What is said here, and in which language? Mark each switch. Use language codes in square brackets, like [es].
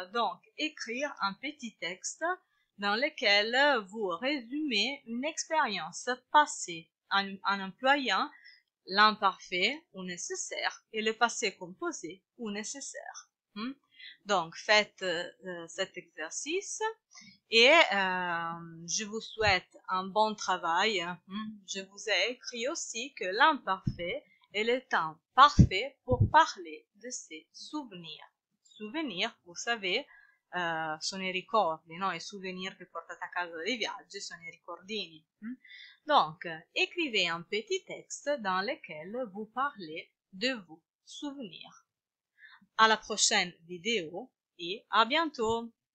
[fr] Donc, écrire un petit texte dans lequel vous résumez une expérience passée en employant l'imparfait ou nécessaire et le passé composé ou nécessaire. Donc, faites cet exercice et je vous souhaite un bon travail. Je vous ai écrit aussi que l'imparfait est le temps parfait pour parler de ses souvenirs. Souvenirs, vous savez, [it] sono i ricordi, no? I souvenirs che portate a casa dei viaggi sono i ricordini. [fr] Donc, écrivez un petit texte dans lequel vous parlez de vos souvenirs. À la prochaine vidéo et à bientôt!